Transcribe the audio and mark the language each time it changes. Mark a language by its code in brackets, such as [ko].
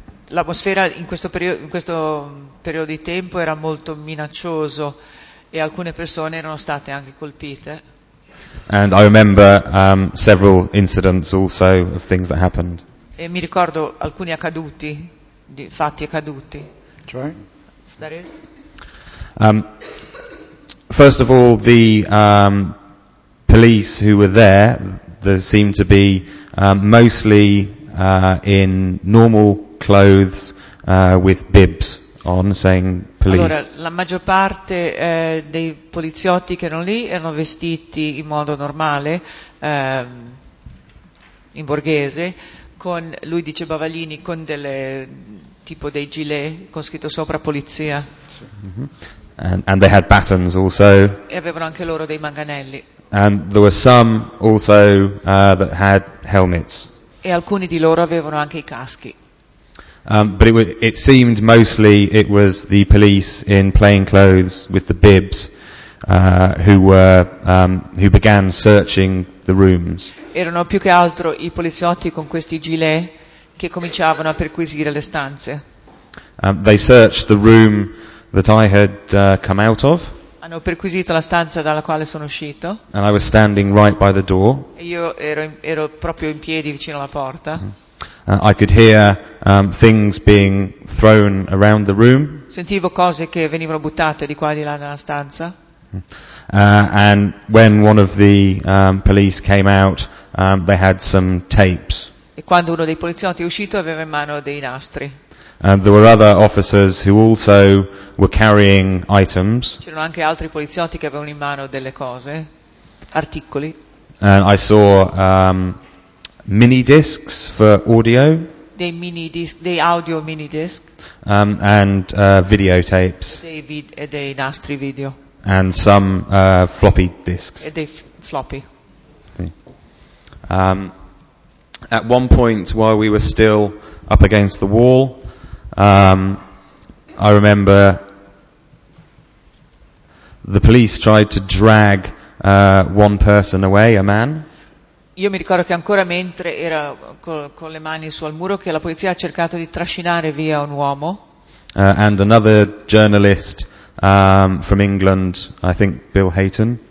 [it] L'atmosfera in questo periodo di tempo era molto minaccioso, e alcune persone erano state anche colpite. [en] And I remember several incidents also of things that happened. [it] E mi ricordo alcuni accaduti, fatti accaduti. Cioè? [en] That is? First of all, the police who were there, they seemed to be mostly in normal clothes with bibs on, saying police. [it] Allora, la maggior parte dei poliziotti che erano lì erano vestiti in modo normale, in borghese. Con lui dice bavaglini con delle tipo dei gilet con scritto sopra polizia. [en] And they had batons also. [it] E avevano anche loro dei manganelli. [en] And there were some also that had helmets. [it] E alcuni di loro avevano anche I caschi. [en] But it seemed mostly it was the police in plain clothes with the bibs who began searching the rooms. [it] Erano più che altro I poliziotti con questi gilet che cominciavano a perquisire le stanze. [en] They searched the room that I had come out of. [it] Hanno perquisito la stanza dalla quale sono uscito. [en] And I was standing right by the door. [it] E io ero proprio in piedi vicino alla porta. [en] I could hear things being thrown around the room. [it] Sentivo cose che venivano buttate di qua e di là nella stanza. [en] And when one of the police came out, they had some tapes. [it] E quando uno dei poliziotti è uscito, aveva in mano dei nastri. [en] There were other officers who also were carrying items. [it] C'erano anche altri poliziotti che avevano in mano delle cose, articoli. [en] And I saw mini discs for audio. [it] Dei mini disc, dei audio mini disc. [en] And videotapes. [it] Dei nastri video. [en] And some floppy disks. [it] E dei floppy. [en] At one point, while we were still up against the wall, I remember the police tried to drag one person away, a man. [it] Io mi ricordo che ancora mentre era con le mani sul muro, che la polizia ha cercato di trascinare via un uomo. [en] And another journalist from England, I think Bill Hayton.